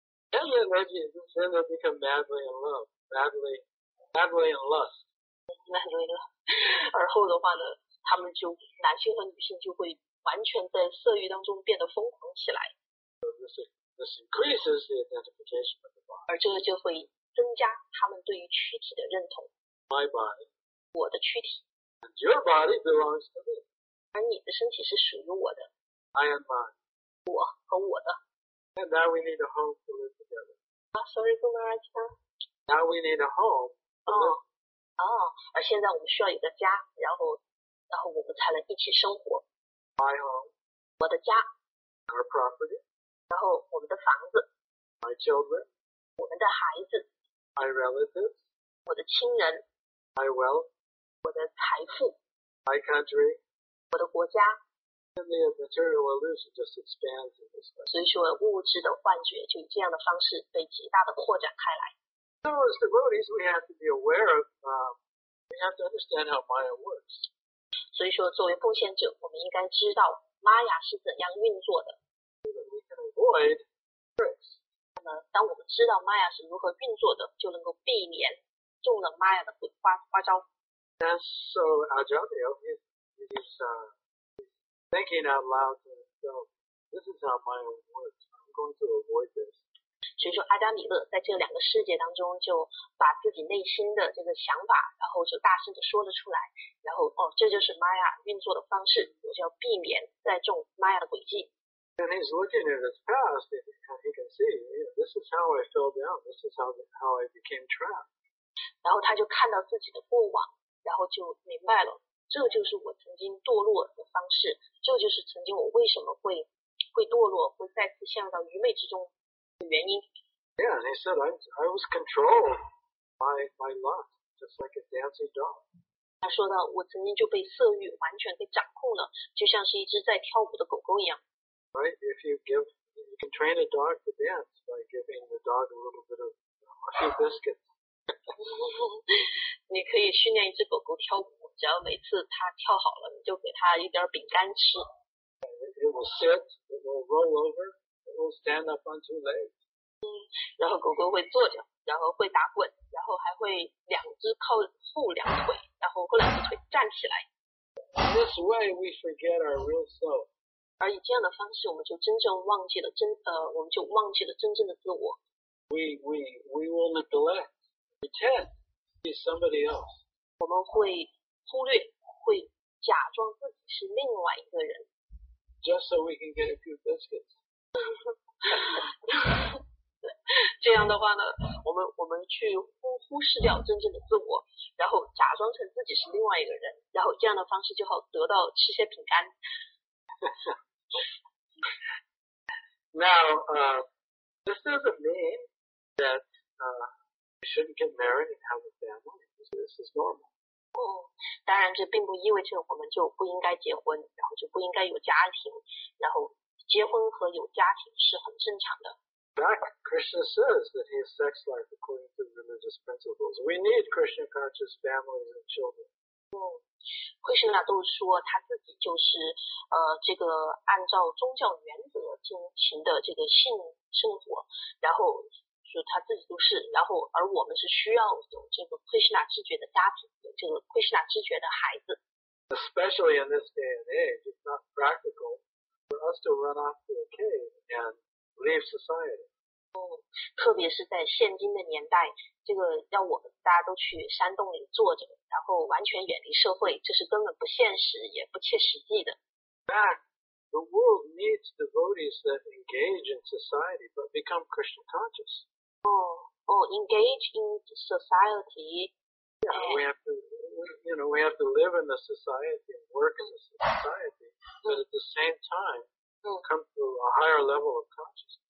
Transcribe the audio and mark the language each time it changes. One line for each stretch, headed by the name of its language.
English: And then they become madly in love, madly in lust. Madly in love.
Chinese: 而后的话呢，他们就男性和女性就会完全在色欲当中变得疯狂起来。
English: This increases the identification of the body.
Chinese: 而这个就会增加他们对于躯体的认同。
English: My body,
Chinese: 我的躯体
English: and your body belongs to me.
Chinese: 而你的身体是属于我的
English: I am mine.
Chinese: 我和我的
English: And now we need a home to live together. Sorry, Gunaratika. Now we need a home.
Chinese: 而现在我们需要一个家，然后我们才能一起生活。
English: My home.
Chinese: 我的家
English: Our property.
Chinese: 然后我们的房子
English: My children.
Chinese: 我们的孩子
English: My relatives.
Chinese: 我的亲人
English: My wealth
Chinese: 我的财富
English: My country
Chinese: 我的国家
English: And the material illusion just expands in this way.
Chinese: 所以说物质的幻觉就以这样的方式被极大的扩展开来。
English: So as devotees, we have to be aware of, we have to understand how Maya works.
Chinese: 所以说作为奉献者，我们应该知道 Maya 是怎样运作的。那么当我们知道 Maya 是如何运作的，就能够避免中了 Maya 的花招。
English: So Ajahnya is thinking out loud to himself, this is how Maya works, I'm going to avoid this.
Chinese: 所以说阿加米勒在这两个世界当中就把自己内心的这个想法然后就大声地说了出来，然后哦，这就是 Maya 运作的方式，我就要避免再中 Maya 的诡计。
English: And he's looking at his past, and he can see, this is how I fell down, this is how I became trapped.
Chinese: 然后他就看到自己的过往，然后就明白了，这就是我曾经堕落的方式，这就是曾经我为什么会堕落，会再次陷入到愚昧之中的原因。
English: Yeah, and he said, I was controlled by my lust, just like a dancing dog.
Chinese: 他说呢，我曾经就被色欲完全给掌控了，就像是一只在跳舞的狗狗一样。
English: Right, you can train a dog to dance by giving the dog a little bit of a few biscuits.
Chinese: 你可以训练一只狗狗跳舞，只要每次它跳好了，你就给它一点饼干吃。
English: It will sit, it will roll over, it will stand up on two legs.
Chinese: 然后狗狗会坐着，然后会打滚，然后还会两只靠后两腿，然后后两只腿站起来。
English: In this way, we forget our real self.
Chinese: 而以这样的方式，我们就真正忘记了我们就忘记了真正的自我。
English: We will neglect, pretend to be somebody else.
Chinese: 我们会忽略，会假装自己是另外一个人。
English: Just so we can get a few biscuits.
Chinese: 这样的话呢，我们去忽视掉真正的自我，然后假装成自己是另外一个人，然后这样的方式就好得到吃些饼干。
English: Now, this doesn't mean that you shouldn't get married and have a family. This is normal.
Chinese: 当然这并不意味着我们就不应该结婚，然后就不应该有家庭，然后结婚和有家庭是很正常的。
English: But Krishna says that his sex life according to religious principles. We need Krishna conscious families and children.
Chinese: 奎师那都说他自己就是这个按照宗教原则进行的这个性生活，然后说他自己都是，然后而我们是需要有这个奎师那知觉的家庭，有这个奎师那知觉的孩子。
English: Especially in this day and age, it's not practical for us to run off to a cave and leave society.
Chinese: 特别是在现今的年代，这个要我们大家都去山洞里坐着，然后完全远离社会，这是根本不现实也不切实际的。
English: The world needs devotees that engage in society but become Krishna conscious. Engage in society. We have to live in the society and work in the society, but at the same time come to a higher level of consciousness.